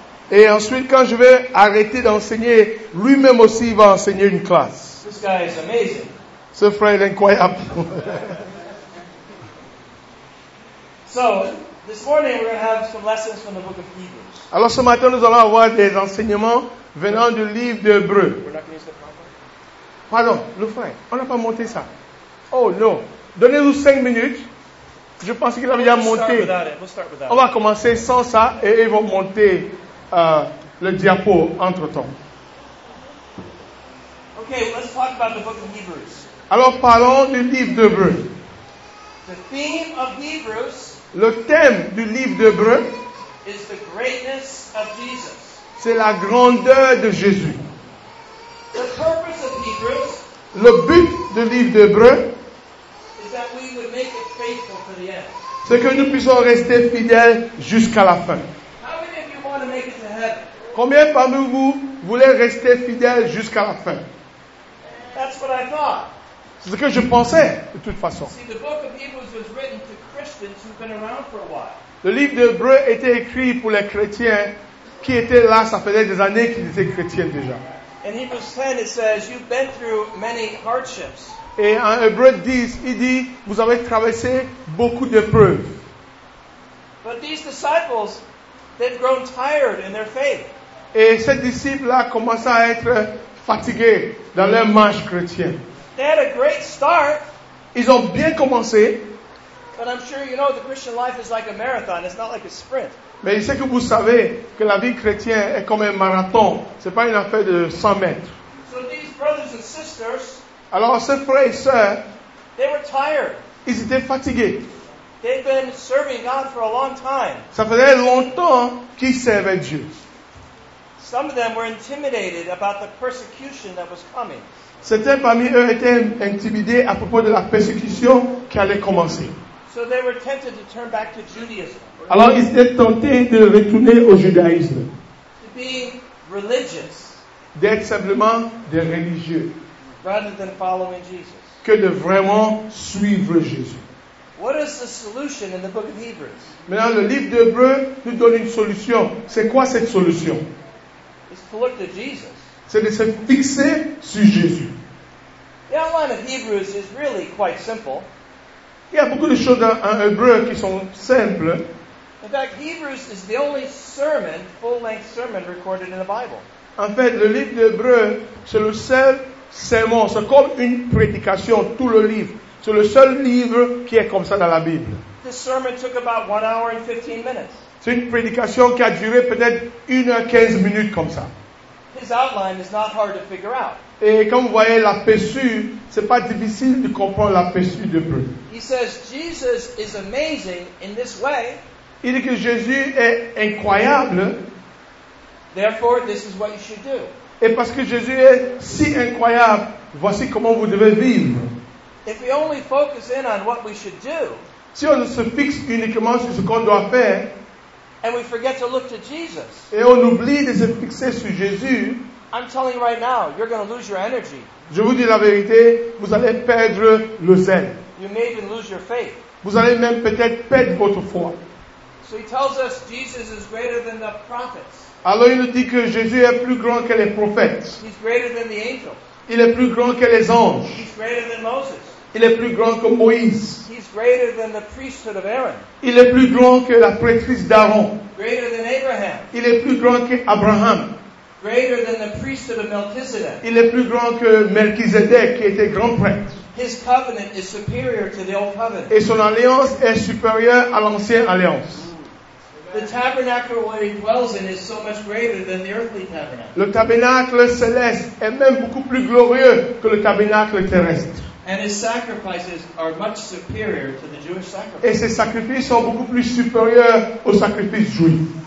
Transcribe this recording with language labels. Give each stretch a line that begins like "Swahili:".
French: Et ensuite, quand je vais arrêter d'enseigner, lui-même aussi va enseigner une classe.
English: This guy is amazing.
French: Ce frère est incroyable.
English: So, this morning we're going to have some lessons from the book of Hebrews.
French: Alors ce matin, nous allons avoir des enseignements venant du livre de Hébreux. Pardon, le frère, on n'a pas monté ça. Oh non, donnez-nous 5 minutes. Je pense qu'il a déjà monté. On va commencer sans ça et ils vont monter le diapo entre-temps.
English: Okay, let's talk about the book of Hebrews.
French: Alors parlons du livre de Hébreux.
English: The theme of Hebrews,
French: le thème du livre de Hébreux,
English: is the greatness of Jesus.
French: C'est la grandeur de Jésus.
English: The purpose of Hebrews,
French: le but du livre d'Hébreux,
English: is that we would make it faithful to the end.
French: C'est que nous puissions rester fidèles jusqu'à la fin.
English: How many of you want to make it to heaven?
French: Combien parmi vous voulez rester fidèles jusqu'à la fin?
English: That's what I thought.
French: C'est ce que je pensais, de toute façon.
English: See, the book of Hebrews was written to Christians who've been around for a while.
French: Le livre d'Hébreux était écrit pour les chrétiens qui étaient là, ça faisait des années qu'ils étaient chrétiens déjà.
English: In Hebrews 10, it says, you've been through many hardships.
French: Et en Hébreux 10, il dit, vous avez traversé beaucoup d'épreuves.
English: But these disciples, they've grown tired in their faith.
French: Et ces disciples-là commençaient à être fatigués dans leur marche chrétienne.
English: They had a great start.
French: Ils ont bien commencé.
English: But I'm sure you know the Christian life is like a marathon. It's not like a sprint.
French: Mais je sais que vous savez que la vie chrétienne est comme un marathon. C'est pas une affaire de 100 mètres.
English: So these brothers and sisters,
French: alors ces frères et sœurs,
English: they were tired.
French: Ils étaient fatigués.
English: They've been serving God for a long time.
French: Ça faisait longtemps qu'ils servaient Dieu.
English: Some of them were intimidated about the persecution that was coming.
French: Certains parmi eux étaient intimidés à propos de la persécution qui allait commencer.
English: So they were tempted to turn back to Judaism.
French: Alors ils étaient tentés de retourner au judaïsme.
English: To be religious.
French: D'être simplement des religieux.
English: Rather than following Jesus.
French: Que de vraiment suivre Jésus.
English: What is the solution in the book of Hebrews?
French: Maintenant le livre d'Hébreux nous donne une solution. C'est quoi cette solution?
English: It's to look to Jesus.
French: C'est de se fixer sur Jésus.
English: The outline of Hebrews is really quite simple.
French: Il y a beaucoup de choses en Hébreux qui sont simples.
English: In fact, Hebrews is the only sermon, full-length sermon recorded in the Bible.
French: En fait, le livre d'Hébreux, c'est le seul sermon, c'est comme une prédication, tout le livre. C'est le seul livre qui est comme ça dans la Bible.
English: This sermon took about 1 hour and 15 minutes.
French: C'est une prédication qui a duré peut-être 1 heure 15 minutes comme ça.
English: His outline is not hard to figure out.
French: Et comme vous voyez, l'aperçu, c'est pas difficile de comprendre l'aperçu de Dieu.
English: He says Jesus is amazing in this way.
French: Il dit que Jésus est incroyable.
English: Therefore, this is what you should do.
French: Et parce que Jésus est si incroyable, voici comment vous devez vivre.
English: If we only focus in on what we should do,
French: si on se fixe uniquement sur ce qu'on doit faire,
English: and we forget to look to Jesus,
French: et on oublie de se fixer sur Jésus,
English: I'm telling you right now, you're going to lose your energy.
French: Je vous dis la vérité, vous allez perdre le zèle.
English: You may even lose your faith.
French: Vous allez même peut-être perdre votre foi.
English: So he tells us Jesus is greater than the prophets.
French: Alors il nous dit que Jésus est plus grand que les prophètes.
English: He's greater than the angels.
French: Il est plus grand que les anges.
English: He's greater than Moses.
French: Il est plus grand que Moïse.
English: He's greater than the priesthood of Aaron.
French: Il est plus grand que la prêtrise d'Aaron.
English: Greater than Abraham.
French: Il est plus grand que Abraham.
English: Greater than the priesthood of Melchizedek.
French: Il est plus grand que Melchizedek qui était grand prêtre.
English: His covenant is superior to the old covenant.
French: Et son alliance est supérieure à l'ancienne alliance.
English: The tabernacle where he dwells in is so much greater than the earthly tabernacle.
French: Le tabernacle céleste est même beaucoup plus glorieux que le tabernacle terrestre.
English: And his sacrifices are much superior to the Jewish sacrifice.
French: Et ses sacrifices sont beaucoup plus supérieurs aux sacrifices juifs.